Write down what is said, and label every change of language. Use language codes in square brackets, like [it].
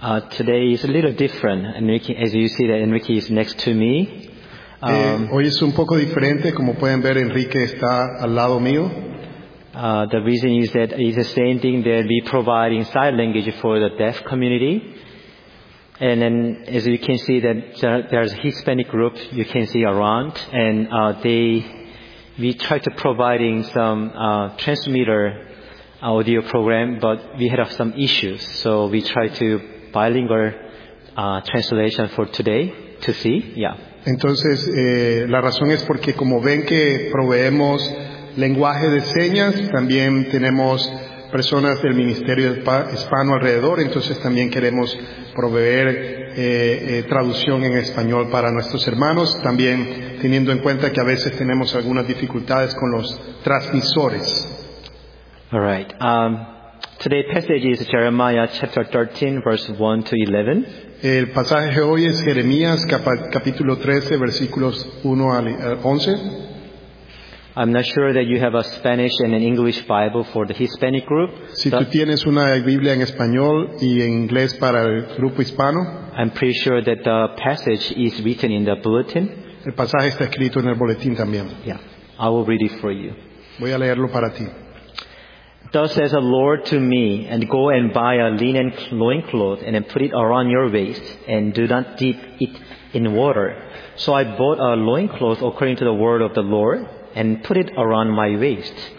[en] Today is a little different. Enrique, as you see, that Enrique is next to me. [es] Hoy es un poco diferente. Como pueden ver, Enrique está al lado mío. [en] The reason is that it's the same thing that we provide in sign language for the deaf community. And then, as you can see, that there's a Hispanic group you can see around, and we try to provide some transmitter audio program, but we had some issues, so we try to bilingual translation for today to see. Yeah. [es] Entonces, la razón es porque como ven que proveemos lenguaje de señas, también tenemos personas del Ministerio Hispano alrededor, entonces también queremos proveer traducción en español para nuestros hermanos, también teniendo en cuenta que a veces tenemos algunas dificultades con los transmisores. [en] All right. Today's passage is Jeremiah chapter 13, verse 1 to 11. [es] El pasaje de hoy es Jeremías capítulo 13, versículos 1 al 11. [en] I'm not sure that you have a Spanish and an English Bible for the Hispanic group. [es] Si tú tienes una Biblia en español y en inglés para el grupo hispano. [en] I'm pretty sure that the passage is written in the bulletin. [es] El pasaje está escrito en el boletín también. [en] Yeah, I will read it for you. [es] Voy a leerlo para ti. [en] Thus says the Lord to me, and go and buy a linen loincloth and put it around your waist, and do not dip it in water. So I bought a loincloth according to the word of the Lord, and put it around my waist.